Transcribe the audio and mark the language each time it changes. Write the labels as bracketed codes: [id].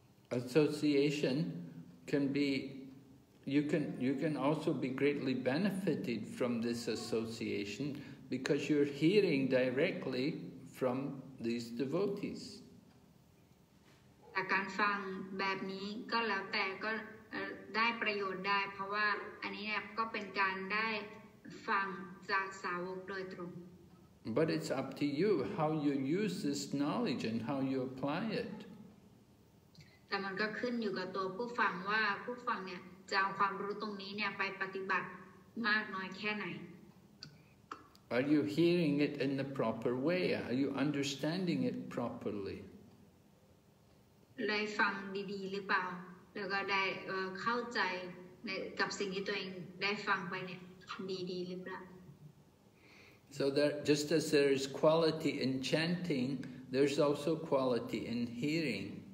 [en] Association can be, you can also be greatly benefited from this association because you're hearing directly from these devotees. [th] แต่การฟังแบบนี้ก็แล้วแต่ก็ได้ประโยชน์ได้เพราะว่าอันนี้เนี่ยก็เป็นการได้ฟังจากสาวกโดยตรง [en] But it's up to you how you use this knowledge and how you apply it. [th] แต่มันก็ขึ้นอยู่กับตัวผู้ฟังว่าผู้ฟังเนี่ยจะเอาความรู้ตรงนี้เนี่ยไปปฏิบัติมากน้อยแค่ไหน [en] Are you hearing it in the proper way? Are you understanding it properly? [th] ได้ฟังดีๆหรือเปล่าแล้วก็ได้เข้าใจในกับสิ่งที่ตัวเองได้ฟังไปเนี่ยดีๆหรือเปล่า [en] So there just as there is quality in chanting there's also quality in hearing